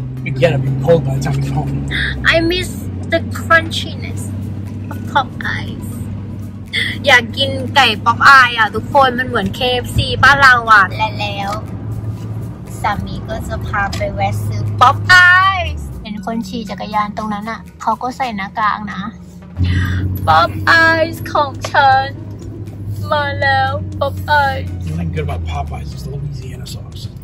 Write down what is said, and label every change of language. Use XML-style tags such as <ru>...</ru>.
<en>Again, I've been cold by the time you're home. I miss the crunchiness of Popeyes.</en> <th>อยากกินไก่ Popeyes อ่ะทุกคนมันเหมือน KFC ป้าเราอ่ะและแล้วสามีก็จะพาไปแวะซื้อ Popeyes เห็นคนขี่จักรยานตรงนั้นอ่ะเขาก็ใส่หน้ากากนะ Popeyes ของฉันมาแล้ว Popeyes</th> <en>The only thing good about Popeyes is the Louisiana sauce.</en>